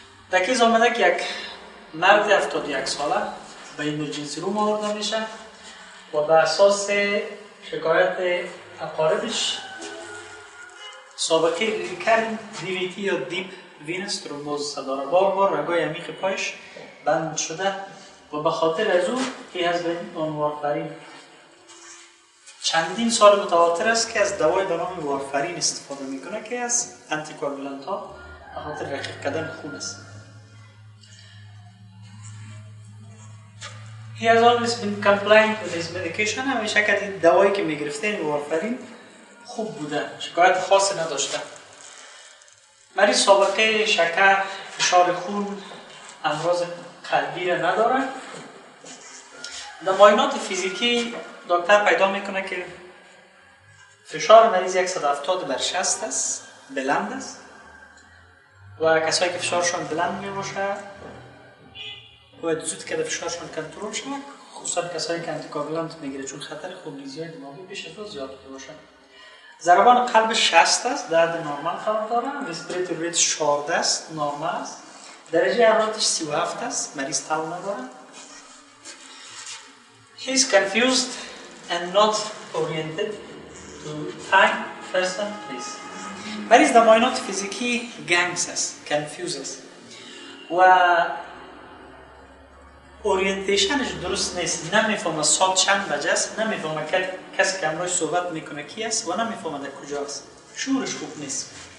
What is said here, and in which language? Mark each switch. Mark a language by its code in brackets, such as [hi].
[fa] در کیز آمده که یک مرد 71 ساله به ایمرجنسی روم آورده میشه و به اساس شکایت اقاربش سابقه ریکرن دیویتی یا دیپ وینس ترومبوز صداره، بار بار رگای عمیق پایش بند شده و به خاطر از او که از به این وارفرین چندین سال متواتر است که از دوای به نام وارفرین استفاده میکنه که از انتیکوگولانت ها به خاطر رقیق کردن خون است. [en] He has always been compliant with his medication. [fa] همیشه که دوایی که میگرفته این وارفرین خوب بوده، شکایت خاصی نداشته. مریض سابقه شکر، فشار خون، امراض قلبی را نداره. در معاینات فیزیکی دکتر پیدا میکنه که فشار مریض 170 بر 60 است، بلند است و کسایی که فشارشان بلند میباشه باید زود که فشارشان کنترل شه، خصوصا کسایی که انتیکوگولانت میگیره چون خطر خونریزی های دماغی بیش از حد زیاد باشه. ضربان قلب 60 است، درد نرمال خواهد داره، ریسپیریتوری ریت 14 است، نرمال است، درجه حرارتش 37 است، مریض تاو نداره. [en] He is confused and not oriented to time, first and place. [fa] مریض در معاینات فیزیکی گنگس است، کنفیوز است و اورینتیشنش درست نیست، نمیفهمه ساعت چند بجه است، نمیفهمه کسی که امروش صحبت میکنه کی است و نمیفهمه در کجا است، شعورش خوب نیست.